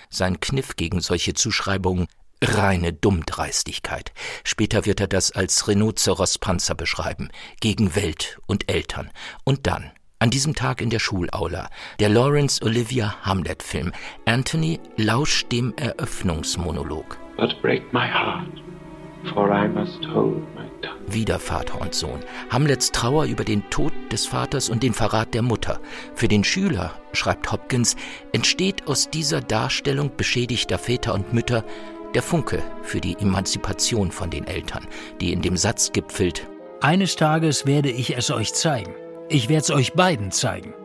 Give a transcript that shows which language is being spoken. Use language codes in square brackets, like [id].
[de] Sein Kniff gegen solche Zuschreibungen, reine Dummdreistigkeit. Später wird er das als Rhinoceros-Panzer beschreiben, gegen Welt und Eltern. Und dann, an diesem Tag in der Schulaula, der Laurence Olivier Hamlet-Film. Anthony lauscht dem Eröffnungsmonolog. [en] But break my heart, for I must hold my tongue. [de] Wieder Vater und Sohn. Hamlets Trauer über den Tod des Vaters und den Verrat der Mutter. Für den Schüler, schreibt Hopkins, entsteht aus dieser Darstellung beschädigter Väter und Mütter der Funke für die Emanzipation von den Eltern, die in dem Satz gipfelt: Eines Tages werde ich es euch zeigen. Ich werde es euch beiden zeigen.